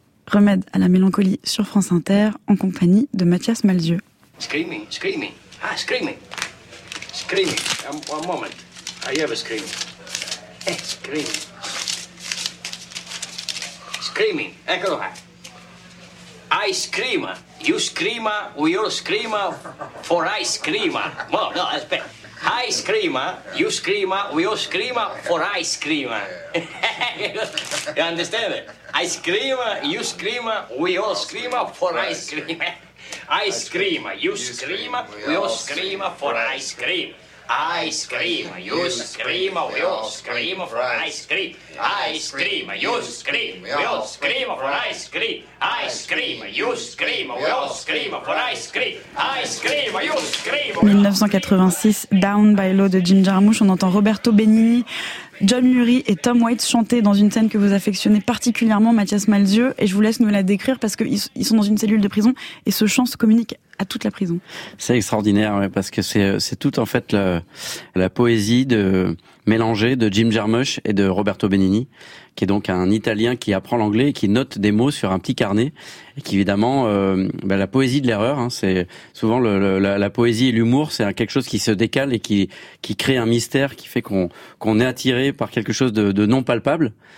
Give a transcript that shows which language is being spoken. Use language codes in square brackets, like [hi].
[fr] Remède à la mélancolie sur France Inter, en compagnie de Mathias Malzieu. [en] Screaming, screaming, ah, screaming, screaming, one moment, are you ever screaming? Eh, screaming. Screaming, [it] eccolo qua. [en] Ice cream, you scream, we all scream for ice cream. [it] No, no, aspetta. [en] Ice cream, you scream, we all scream for ice cream. You understand? Ice cream, you scream, we all scream for ice cream. Ice cream, you scream, we all scream for ice cream. Ice cream, you scream, we all scream for ice cream. Ice cream, you scream, we all scream for ice cream. Ice cream, you scream, we all scream for ice cream. Ice cream, you scream. [fr] 1986, Down by Law de Jim Jarmusch, on entend Roberto Benigni, John Lurie et Tom Waits chanter dans une scène que vous affectionnez particulièrement, Mathias Malzieu, et je vous laisse nous la décrire parce qu'ils sont dans une cellule de prison et ce chant se communique à toute la prison. C'est extraordinaire parce que c'est tout en fait la poésie de mélangée de Jim Jarmusch et de Roberto Benigni, qui est donc un Italien qui apprend l'anglais et qui note des mots sur un petit carnet et qui évidemment la poésie de l'erreur, hein, c'est souvent la poésie et l'humour, c'est quelque chose qui se décale et qui crée un mystère qui fait qu'on est attiré par quelque chose de non palpable.